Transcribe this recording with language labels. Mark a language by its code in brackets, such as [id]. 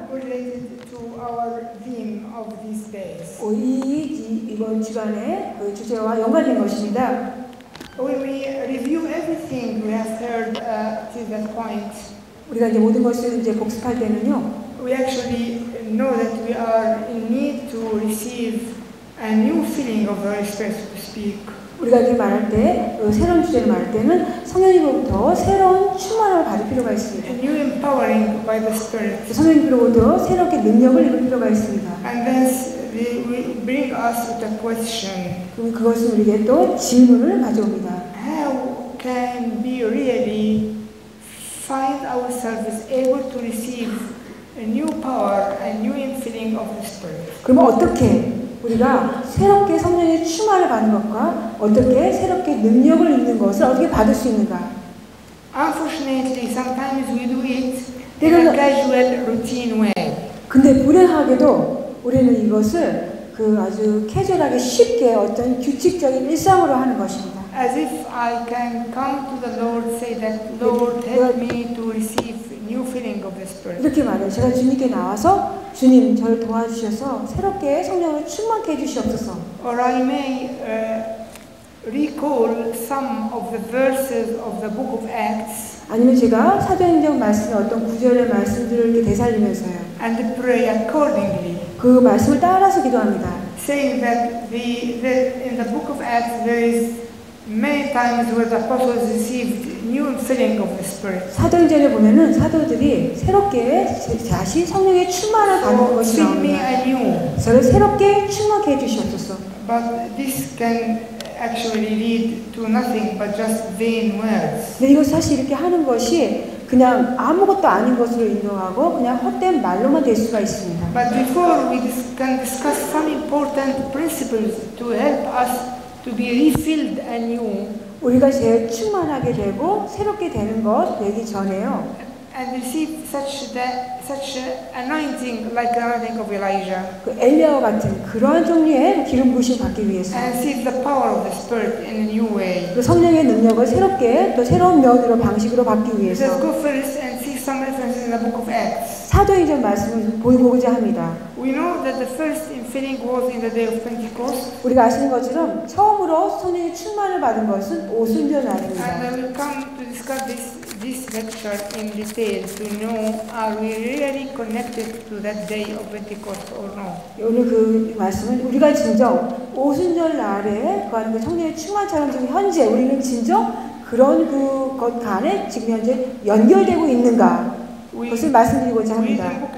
[en] Related to our theme of these days. [ko] 이번 주간의 그 주제와 연관된 것입니다. [en] When we review everything we have heard to that point. [ko] 우리가 이제 모든 것을 이제 복습할 때는요. [en] We actually know that we are in need to receive a new feeling of the Holy Spirit to speak. [ko] 우리가 이렇게 말할 때, 새로운 주제를 말할 때는 성령님으로부터 새로운 충만함을 받을 필요가 있습니다. [en] A new empowering by the Spirit. [ko] 성령님으로부터 새롭게 능력을 입을 필요가 있습니다. [en] And this will bring us the question. [ko] 그럼 그것은 우리에게 또 질문을 가져옵니다. [en] How can we really find ourselves able to receive a new power, a new infilling of the Spirit? [ko] 그럼 어떻게 우리가 새롭게 성령의 충만을 받는 것과 어떻게 새롭게 능력을 입는 것을 어떻게 받을 수 있는가? [en] Unfortunately, sometimes we do it in a casual routine way. [ko] 근데 불행하게도 우리는 이것을 그 아주 캐주얼하게 쉽게 어떤 규칙적인 일상으로 하는 것입니다. [en] As if I can come to the Lord, say that Lord, help me to receive new feeling of the Spirit. [ko] 이렇게 말해요. 제가 주님께 나와서 주님 저를 도와주셔서 새롭게 성령을 충만케 해주시옵소서. [en] Or I may recall some of the verses of the Book of Acts. [ko] 아니면 제가 사도행전 말씀 어떤 구절의 말씀들을 되살리면서요. [en] And pray accordingly. [ko] 그 말씀을 따라서 기도합니다. [en] Saying that in the Book of Acts there is many times where the apostles received new filling of the Spirit. [ko] 사도행전에 보면은 사도들이 새롭게 다시 성령의 충만을 받는 것이 나옵니다. 저를 새롭게 충만케 해주셨었어. [en] But this can actually lead to nothing but just vain words. [ko] 근데 이거 사실 이렇게 하는 것이 그냥 아무것도 아닌 것으로 인정하고 그냥 헛된 말로만 될 수가 있습니다. [en] But before we can discuss some important principles to help us to be refilled anew. [ko] 우리가 제 충만하게 되고 새롭게 되는 것 되기 전에요. [en] And receive such anointing like the anointing of Elijah. [ko] 그 엘리야와 같은 그러한 종류의 기름 부으심 받기 위해서. [en] And receive the power of the Spirit in a new way. [ko] 그 성령의 능력을 새롭게 또 새로운 면으로 방식으로 받기 위해서. [en] Let's go first and see some references in the Book of Acts. [ko] 사도행전 말씀을 보고자 합니다. [en] We know that the first infilling was in the day of Pentecost. [ko] 우리가 아시는 것처럼 처음으로 성령의 충만을 받은 것은 오순절 날입니다. [en] And we come to discuss this lecture in detail to know are we really connected to that day of Pentecost or not. [ko] 오늘 그 말씀은 우리가 진정 오순절 날에 그 안에 성령의 충만처럼 지금 현재 우리는 진정 그런 그 것 간에 지금 현재 연결되고 있는가? 그것을 말씀드리고자 합니다.